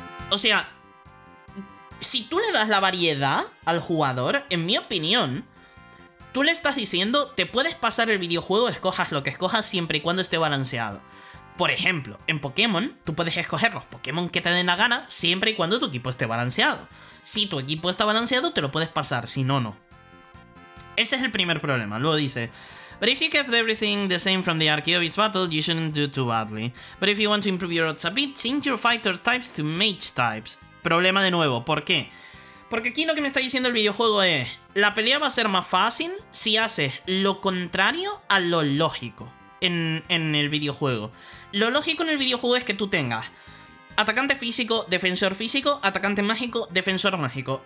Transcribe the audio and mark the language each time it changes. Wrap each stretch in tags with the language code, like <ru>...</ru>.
<es>O sea, si tú le das la variedad al jugador, en mi opinión, tú le estás diciendo, te puedes pasar el videojuego, escojas lo que escojas siempre y cuando esté balanceado. Por ejemplo, en Pokémon, tú puedes escoger los Pokémon que te den la gana siempre y cuando tu equipo esté balanceado. Si tu equipo está balanceado, te lo puedes pasar, si no, no. Ese es el primer problema. Luego dice...</es> <en>But if you kept everything the same from the Archeobis battle, you shouldn't do too badly. But if you want to improve your odds a bit, change your fighter types to mage types.</en> <es>Problema de nuevo, ¿por qué? Porque aquí lo que me está diciendo el videojuego es... La pelea va a ser más fácil si haces lo contrario a lo lógico. En el videojuego. Lo lógico en el videojuego es que tú tengas atacante físico, defensor físico, atacante mágico, defensor mágico.</es>